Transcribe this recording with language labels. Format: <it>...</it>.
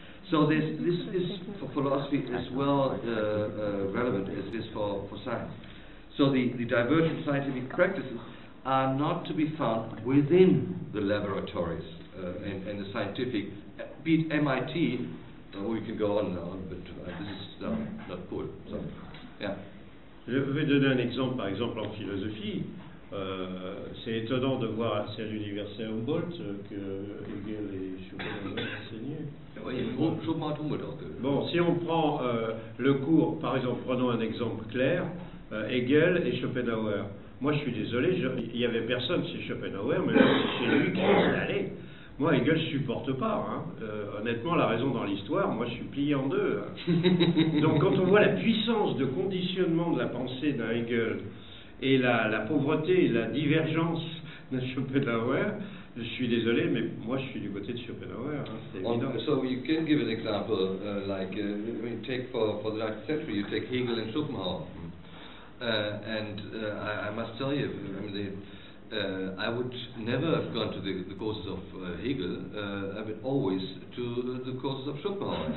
<en>So this is for philosophy as well relevant as it is for science. So the divergent scientific practices are not to be found within the laboratories and the scientific, be it MIT. We can go on now, but this is not cool. So, yeah.</en> <fr>Je vais donner un exemple. Par exemple, en philosophie, c'est étonnant de voir à l'université Humboldt que Hegel et Schumann ont enseigné. Bon, si on prend le cours, par exemple, prenons un exemple clair, Hegel et Schopenhauer. Moi, je suis désolé, il n'y avait personne chez Schopenhauer, mais là, c'est chez lui qui est allé. Moi, Hegel, je supporte pas. Hein. Honnêtement, la raison dans l'histoire, moi, je suis plié en deux. Hein. Donc, quand on voit la puissance de conditionnement de la pensée d'un Hegel et la pauvreté, la divergence de Schopenhauer, je suis désolé, mais moi, je suis du côté de Schopenhauer. Hein. C'est évident.</fr> <en>So you can give an example, like take for the 19th century, you take Hegel and Schopenhauer, I must tell you, I mean, I would never have gone to the courses of Hegel, but always to the courses of Schopenhauer.</en>